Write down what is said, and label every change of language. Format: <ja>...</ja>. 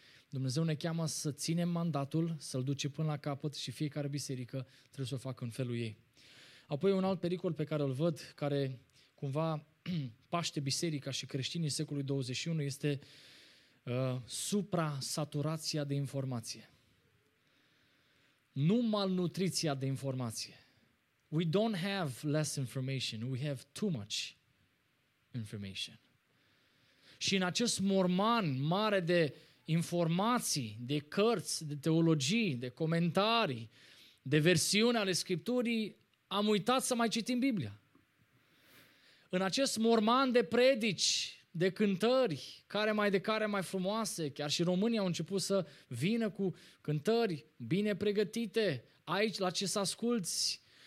<ro>Dumnezeu ne cheamă să ținem mandatul, să-l duce până la capăt și fiecare biserică trebuie să o facă în felul ei. Apoi un alt pericol pe care îl văd, care cumva paște biserica și creștinii secolului 21, este supra-saturația de informație. Nu malnutriția de informație.</ro> <en>We don't have less information, we have too much information.</en> <ro>Și în acest morman mare de informații, de cărți, de teologii, de comentarii, de versiuni ale Scripturii, am uitat să mai citim Biblia. În acest morman de predici, de cântări, care mai de care mai frumoase, chiar și românii au început să vină cu cântări bine pregătite, aici la ce să asculți.</ro>